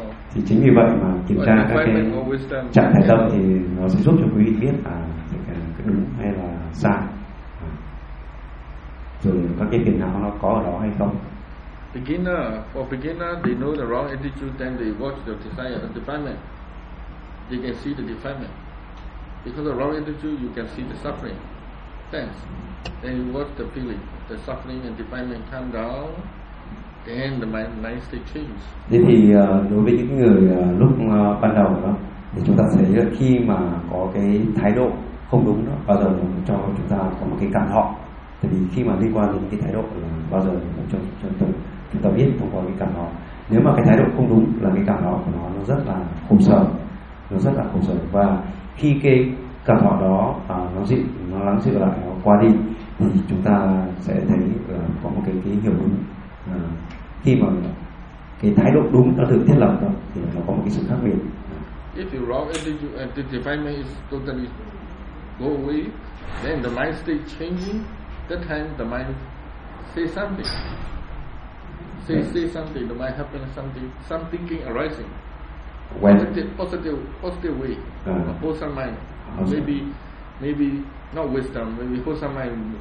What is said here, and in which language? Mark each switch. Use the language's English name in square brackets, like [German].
[Vietnamese] Thì chính vì vậy mà kiểm tra các cái trạng thái tâm thì nó sẽ giúp cho quý vị biết là cái đúng hay là sai, rồi các cái phiền não nó có ở đó hay không. [English] Beginner, for beginner, they know the wrong attitude, then they watch the desire, the defilement. They can see the defilement. Because of wrong attitude, you can see the suffering. Thanks. Then you watch the feeling, the suffering and defilement come down. And the mind state changes. [Vietnamese] Thế thì đối với những người lúc ban đầu đó, thì chúng ta thấy là khi mà có cái thái độ không đúng đó, bao giờ cho chúng ta có một cái cảm họ. Tại vì khi mà liên quan đến cái thái độ là bao giờ chúng ta biết thông qua cái cảm họ. Nếu mà cái thái độ không đúng là cái cảm họ của nó rất là khổ sở, nó rất là khổ sở. Và khi cái cảm họ đó nó dịu, nó lắng dịu lại, nó qua đi, thì chúng ta sẽ thấy có một cái hiểu đúng. Khi mà cái thái độ đúng nó được thiết lập đó, thì nó có một cái sự khác biệt. [English] If you wrong attitude and the defilement is totally go away, then the mind state changing, that time the mind say something, the mind happen something, some thinking arising. when positive way, wholesome mind, maybe not wisdom, maybe wholesome mind.